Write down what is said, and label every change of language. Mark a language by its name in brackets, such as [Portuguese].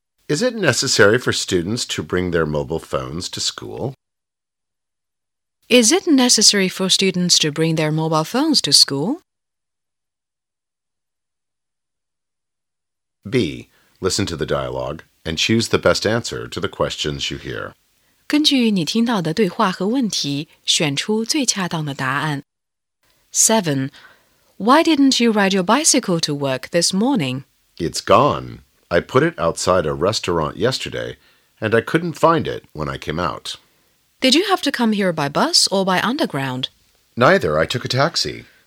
[English] Is it necessary for students to bring their mobile phones to school? Is it necessary for students to bring their mobile phones to school? B. Listen to the dialogue and choose the best answer to the questions you hear. [Chinese] 根据你听到的对话和问题，选出最恰当的答案。 [English] 7. Why didn't you ride your bicycle to work this morning? It's gone. I put it outside a restaurant yesterday, and I couldn't find it when I came out. Did you have to come here by bus or by underground? Neither. I took a taxi.